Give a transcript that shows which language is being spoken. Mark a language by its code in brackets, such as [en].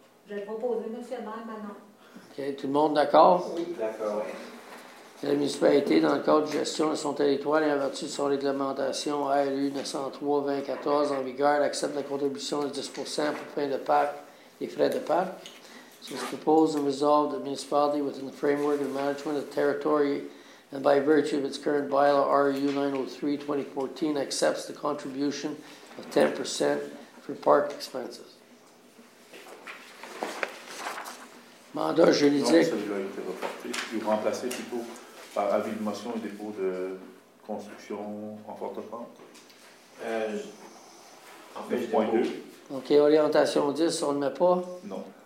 [fr] J'ai proposé, M. Manon. OK, tout le monde d'accord? Oui, d'accord, oui. La municipalité, dans le cadre de gestion de son territoire et en vertu de son réglementation ALU 903-2014 en vigueur, accepte la contribution de 10% pour fin de parc et frais de parc. [en] So it's proposed and resolved that the municipality, within the framework and management of the territory and by virtue of its current bylaw, RU 903-2014, accepts the contribution of 10% for park expenses. [fr] Mandat juridique. Il est remplacé plutôt par avis de motion et dépôt de construction en forte pente. En fait, 2. OK, orientation 10, on ne le met pas? Non.